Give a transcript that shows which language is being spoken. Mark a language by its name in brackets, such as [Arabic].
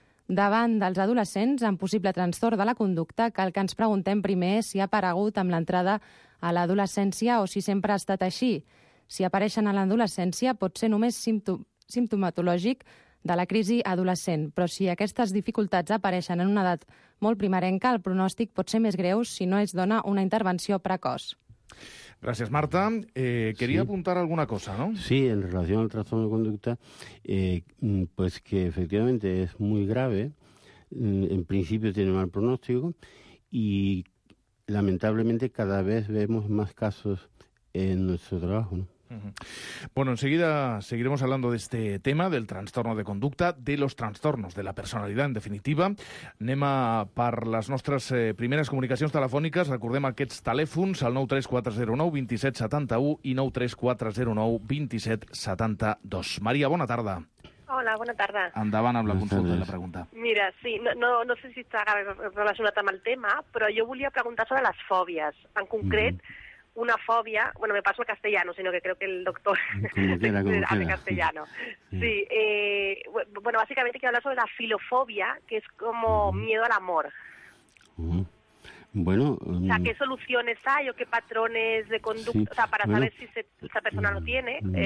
[Catalan] Davant dels adolescents amb possible trastorn de la conducta, cal que ens preguntem primer si ha aparegut amb l'entrada a l'adolescència o si sempre ha estat així. Si apareixen a l'adolescència, pot ser només simptomatològic de la crisi adolescent, però si aquestes dificultats apareixen en una edat molt primerenca, el pronòstic pot ser més greu si no es dona una intervenció precoç. Gràcies, Marta. [Spanish] Quería apuntar alguna cosa, ¿no? Sí, en relación al trastorno de conducta, pues que efectivamente es muy grave. En principio tiene mal pronóstico y lamentablemente cada vez vemos más casos en nuestro trabajo, ¿no? Bueno, enseguida seguiremos hablando de este tema, del trastorno de conducta, de los trastornos de la personalidad, en definitiva. [Catalan] Anem a per les nostres primeres comunicacions telefòniques. Recordem aquests telèfons al 93409-2771 i 93409-2772. Maria, bona tarda. Hola, bona tarda. Endavant amb la consulta i la pregunta. Mira, sí, no sé si està relacionat amb el tema, però jo volia preguntar sobre les fòbies, en concret... [Spanish] Una fobia, bueno, me paso al castellano, sino que creo que el doctor habla castellano. Sí, bueno, básicamente quiero hablar sobre la filofobia, que es como miedo al amor. Bueno, o sea, ¿qué soluciones hay o qué patrones de conducta, sí, o sea, para bueno, saber si esa persona lo tiene?